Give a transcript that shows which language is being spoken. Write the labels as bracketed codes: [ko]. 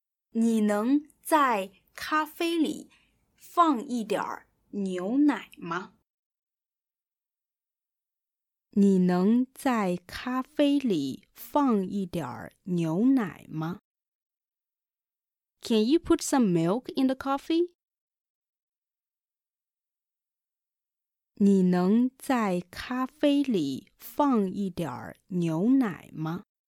[zh] 你能在咖啡里放一点牛奶吗？你能在咖啡里放一点牛奶吗？ [en] Can you put some milk in the coffee? [zh] 你能在咖啡里放一点牛奶吗？